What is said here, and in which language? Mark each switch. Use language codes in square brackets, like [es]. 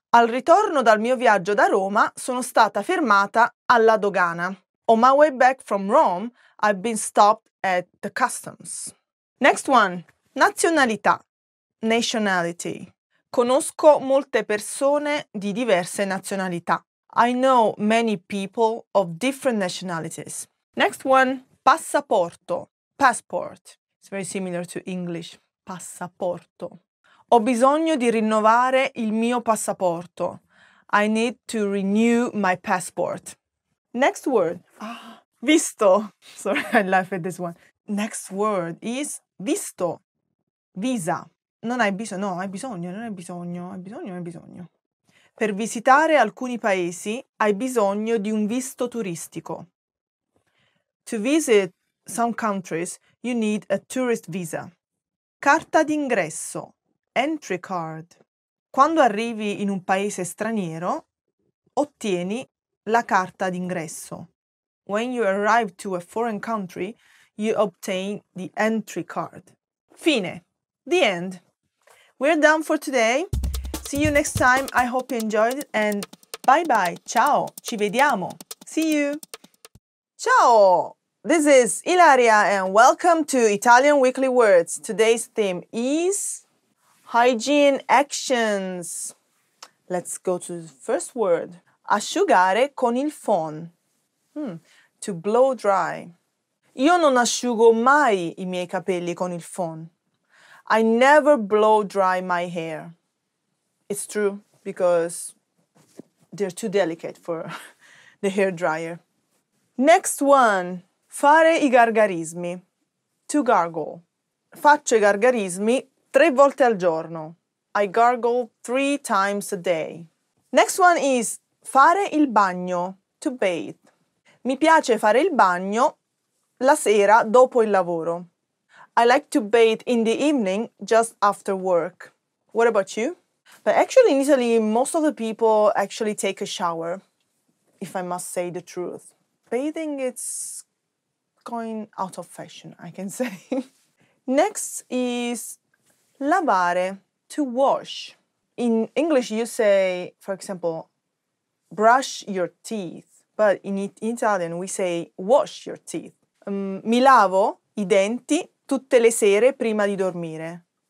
[it] Al ritorno dal mio viaggio da Roma, sono stata fermata alla dogana. [en] On my way back from Rome, I've been stopped at the customs. Next one. Nazionalità. Nationality. [it] Conosco molte persone di diverse nazionalità. [en] I know many people of different nationalities. Next one, passaporto. Passport. It's very similar to English. [it] Passaporto. Ho bisogno di rinnovare il mio passaporto. [en] I need to renew my passport. Next word. Visto. Sorry, I laugh at this one. Next word is visto. Visa. [it] Non hai bisogno. No, hai bisogno. Non hai bisogno. Hai bisogno. [en] Hai bisogno. [it] Per visitare alcuni paesi, hai bisogno di un visto turistico. [en] To visit some countries, you need a tourist visa. Carta d'ingresso. Entry card. [it] Quando arrivi in un paese straniero, ottieni la carta d'ingresso. [en] When you arrive to a foreign country, you obtain the entry card. Fine. The end. We're done for today. See you next time. I hope you enjoyed it. And bye bye. Ciao. [it] Ci vediamo. [en] See you. Ciao. This is Ilaria and welcome to Italian Weekly Words. Today's theme is hygiene actions. Let's go to the first word. Asciugare con il phon. To blow dry. [it] Io non asciugo mai I miei capelli con il phon. [en] I never blow dry my hair. It's true because they're too delicate for the hair dryer. Next one. Fare I gargarismi. To gargle. [it] Faccio I gargarismi 3 volte al giorno. [en] I gargle 3 times a day. Next one is fare il bagno, to bathe. [it] Mi piace fare il bagno la sera dopo il lavoro. [en] I like to bathe in the evening just after work. What about you? But actually in Italy, most of the people actually take a shower, if I must say the truth. Bathing, it's going out of fashion, I can say. Next is lavare, to wash. In English you say, for example, brush your teeth. But in Italian we say wash your teeth. [it] Mi lavo I denti tutte le sere prima di dormire.